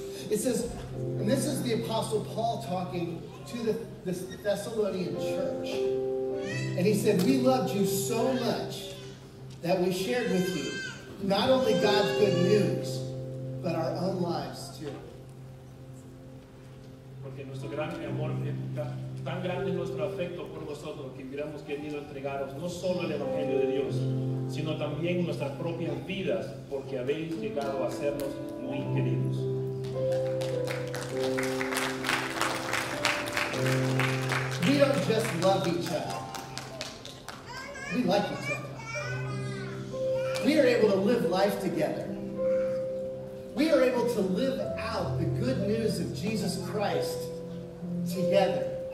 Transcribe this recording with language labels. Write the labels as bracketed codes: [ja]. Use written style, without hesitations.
[en] It says, and this is the Apostle Paul talking to the Thessalonian church. And he said, "We loved you so much that we shared with you not only God's good news, but our own lives too." [es] Porque nuestro gran amor, tan grande es nuestro afecto por vosotros que hubiéramos querido entregaros no solo el Evangelio de Dios, sino también nuestras propias vidas, porque habéis llegado a sernos muy queridos. [en] We don't just love each other. We like each other. We are able to live life together. We are able to live out the good news of Jesus Christ together.